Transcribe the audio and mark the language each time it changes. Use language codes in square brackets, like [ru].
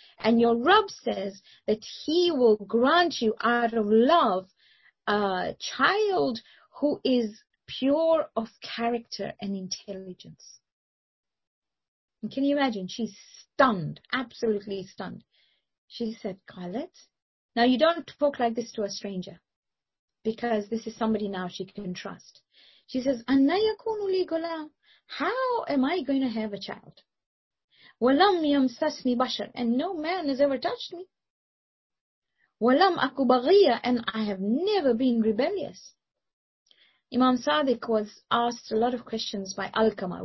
[en] And your Rabb says that he will grant you out of love a child who is pure of character and intelligence. And can you imagine? She's stunned, absolutely stunned. She said, Khalid. Now you don't talk like this to a stranger, because this is somebody now she can trust. She says, [ar] أَنَّا يَكُونُ لِي غُلَامٌ. [en] How am I going to have a child? [ar] وَلَمْ يَمْسَسْنِي بَشَرٌ. [en] And no man has ever touched me. [ar] وَلَمْ أَكُ بَغِيَّ. [en] And I have never been rebellious. Imam Sadiq was asked a lot of questions by Alkama.